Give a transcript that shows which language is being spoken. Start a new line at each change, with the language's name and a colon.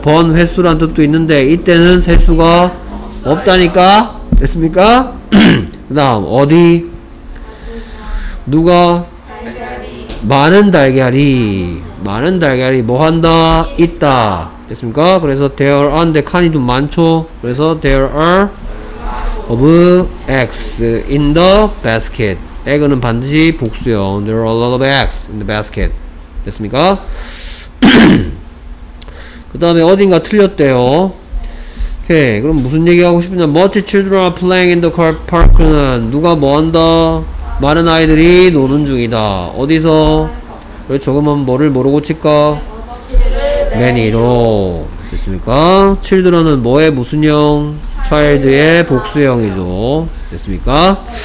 Korean: 번 횟수란 뜻도 있는데 이때는 셀 수가 없다니까. 됐습니까? 그다음 어디 누가 많은 달걀이 많은 달걀이 뭐한다? 있다. 됐습니까? 그래서
English: there are
Korean: 안데 칸이 좀 많죠? 그래서
English: there are of eggs in the basket.
Korean: 에그는 반드시 복수요.
English: There are a lot of eggs in the basket.
Korean: 됐습니까? 그 다음에 어딘가 틀렸대요. 오케이. 그럼 무슨 얘기하고 싶냐?
English: Much children are playing in the car park는
Korean: 누가 뭐한다? 많은 아이들이 노는 중이다. 어디서? 왜 조금만 뭐를 모르고 칠까? many로 됐습니까? children은 뭐의 무슨 형? child의 복수형이죠. 됐습니까?